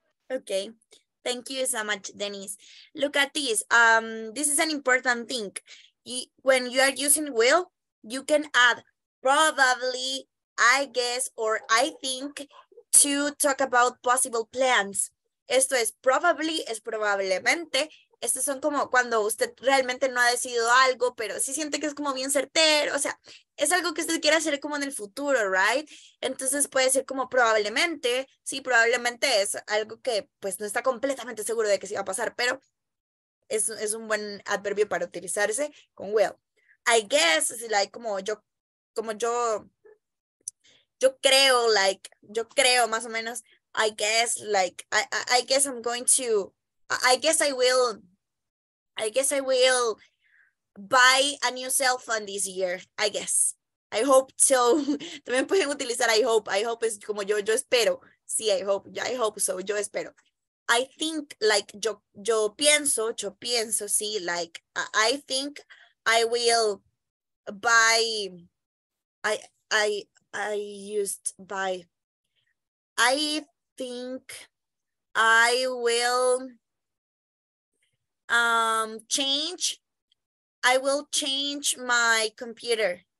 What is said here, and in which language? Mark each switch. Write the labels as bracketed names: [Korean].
[English] Okay. Thank you so much, Denise. Look at this. This is an important thing. When you are using will, you can add probably, I guess, or I think to talk about possible plans. [Spanish] Esto es probably, es probablemente. Estos son como cuando usted realmente no ha decidido algo, pero sí siente que es como bien certero. O sea, es algo que usted quiere hacer como en el futuro, right? Entonces puede ser como probablemente. Sí, probablemente es algo que pues no está completamente seguro de que sí va a pasar, pero es un buen adverbio para utilizarse con will. [English] I guess, like, como yo creo más o menos, I guess, like, I guess I'm going to, I guess I will buy a new cell phone this year, I guess. I hope so. [Spanish] También pueden utilizar I hope es como yo espero. Sí, I hope so, yo espero. [English] I think, like, yo pienso, sí, like, I think I will buy, I will change my computer.